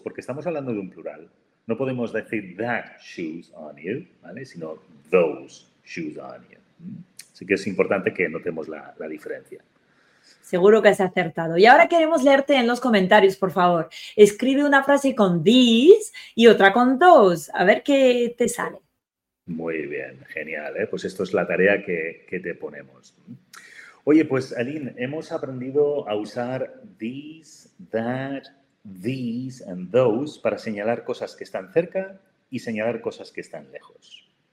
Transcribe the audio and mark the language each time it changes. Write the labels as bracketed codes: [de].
[es] Porque estamos hablando de un plural. No podemos decir [en] that shoes are new, [es] ¿vale? [en] Sino those shoes are new. [es] Así que es importante que notemos la diferencia. Seguro que has acertado. Y ahora queremos leerte en los comentarios, por favor. Escribe una frase con these y otra con those. A ver qué te sale. Muy bien, genial, ¿eh? Pues esto es la tarea que te ponemos. Oye, pues Aline, hemos aprendido a usar these, that, these and those para señalar cosas que están cerca y señalar cosas que están lejos.